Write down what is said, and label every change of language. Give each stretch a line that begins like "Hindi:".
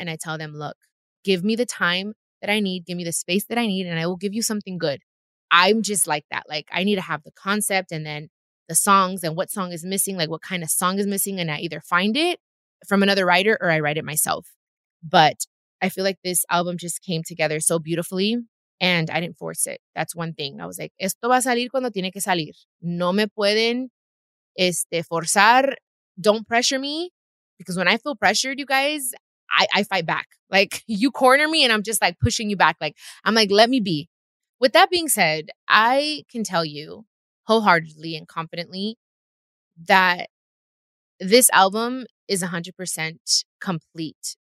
English: And I tell them, look, give me the time that I need. Give me the space that I need and I will give you something good. I'm just like that. Like I need to have the concept and then the songs and what song is missing, like what kind of song is missing. And I either find it from another writer or I write it myself. But I feel like this album just came together so beautifully and I didn't force it. That's one thing. I was like,
Spanish: esto va a salir cuando tiene que salir. No me pueden forzar.
English: Don't pressure me. Because when I feel pressured, you guys, I fight back. Like you corner me and I'm just like pushing you back. Like I'm like, let me be. With that being said, I can tell you wholeheartedly and confidently that this album is 100% complete.